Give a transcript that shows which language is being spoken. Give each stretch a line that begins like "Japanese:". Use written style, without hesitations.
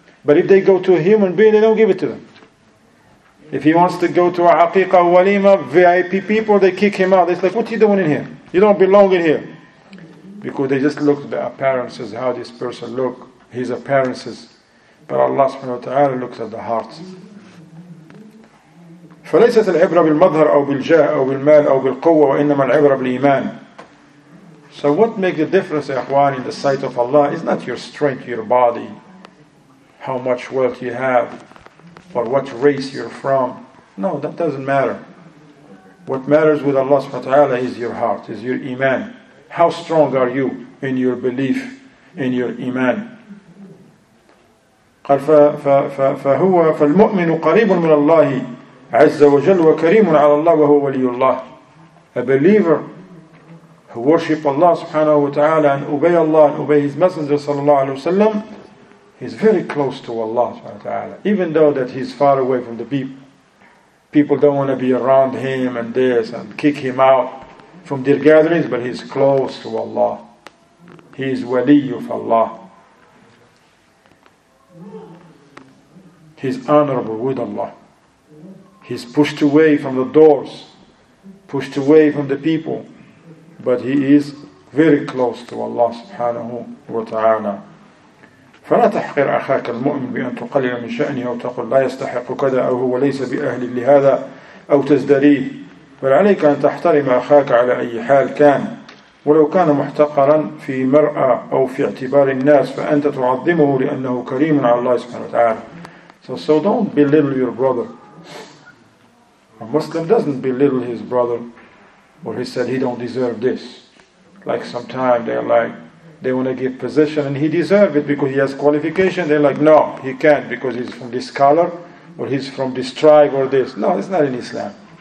English: But if they go to a human being, they don't give it to them. If he wants to go to a aqiqah, walima, VIP people, they kick him out. It's like, what are you doing in here? You don't belong in here. Because they just look at the appearances, how this person look, his appearances. But Allah subhanahu wa ta'ala looks at the heart.
Arabic: فليست العبرة بالمظهر أو بالجاه أو بالمال أو بالقوة وإنما العبرة بالإيمان.
English: So what makes the difference, إخوان, in the sight of Allah is not your strength, your body, how much wealth you have, or what race you're from. No, that doesn't matter. What matters with Allah subhanahu wa ta'ala is your heart, is your iman. How strong are you in your belief, in your iman?
Arabic: قال فهو فالمؤمن قريب من الله عز وجل وكريم على الله وهو ولي الله.
English: A believer who worship Allah subhanahu wa ta'ala and obey Allah and obey His Messenger sallallahu alayhi wa sallam, he's very close to Allah subhanahu wa ta'ala, even though that he's far away from the people. People don't want to be around him and this and kick him out from their gatherings, but he's close to Allah. He is wali of Allah. He's honorable with Allah. He's pushed away from the doors, pushed away from the people, but he is very close to Allah subhanahu wa ta'ala.
Arabic: فلا تحقر أخاك المؤمن بأن تقلل من شأنه أو تقول لا يستحق كذا أو هو ليس بأهل لهذا أو تزدريه، بل عليك أن تحترم أخاك على أي حال كان، ولو كان محتقرا في مرأة أو في اعتبار الناس فأنت تعظمه لأنه كريم على الله سبحانه وتعالى.
English: So don't belittle your brother. A Muslim doesn't belittle his brother, or he said he don't deserve this. Like sometimes they're like, they want to give position and he deserves it because he has qualification. They're like, no, he can't because he's from this color or he's from this tribe or this. No, it's not in Islam.